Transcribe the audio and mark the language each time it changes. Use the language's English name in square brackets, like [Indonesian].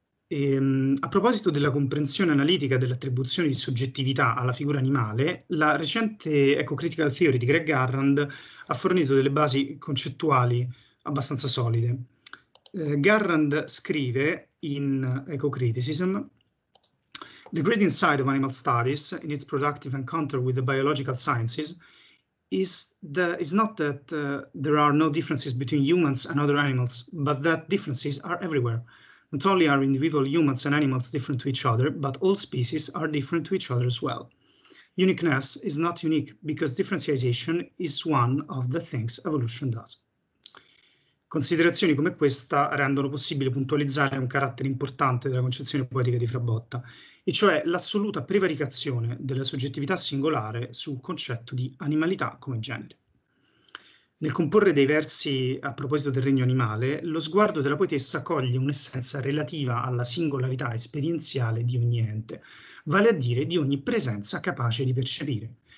[Italian] A proposito della comprensione analitica dell'attribuzione di soggettività alla figura animale, la recente Ecocritical Theory di Greg Garrand ha fornito delle basi concettuali abbastanza solide. [English] Garrand [Italian] scrive in [English] Ecocriticism: "The great insight of animal studies in its productive encounter with the biological sciences is not that there are no differences between humans and other animals, but that differences are everywhere. Not only are individual humans and animals different to each other, but all species are different to each other as well. Uniqueness is not unique because differentiation is one of the things evolution does." [Italian] Considerazioni come questa rendono possibile puntualizzare un carattere importante della concezione poetica di Frabotta, e cioè l'assoluta prevaricazione della soggettività singolare sul concetto di animalità come genere. Nel comporre dei versi a proposito del regno animale, lo sguardo della poetessa coglie un'essenza relativa alla singolarità esperienziale di ogni ente, vale a dire di ogni presenza capace di percepire.